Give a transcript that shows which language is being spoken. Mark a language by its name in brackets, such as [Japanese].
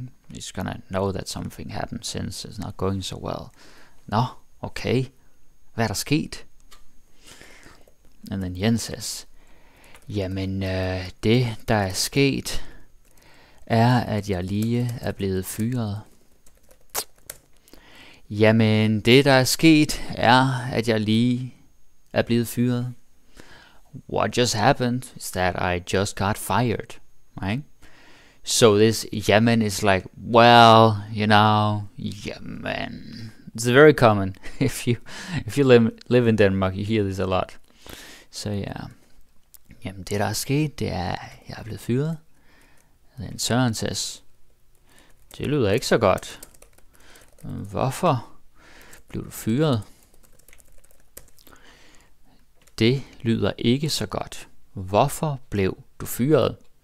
[English] He's gonna know that something happened since it's not going so well. [Danish] Nå, okay. Hvad er der sket? [English] And then Jens says, [Danish] jamen, det der er sket, er at jeg lige er blevet fyret. Jamen, det der er sket, er at jeg lige er blevet fyret. [English] What just happened is that I just got fired, right? So this jamen is like, well, you know, jamen. It's very common. If you live in Denmark, you hear this a lot. So yeah. [Danish] Jamen, det der er sket, det er jeg er blevet fyret. [English] Then Søren says, [Danish] det lyder ikke så godt. Hvorfor blev du fyret? Det lyder ikke så godt. Hvorfor blev du fyret?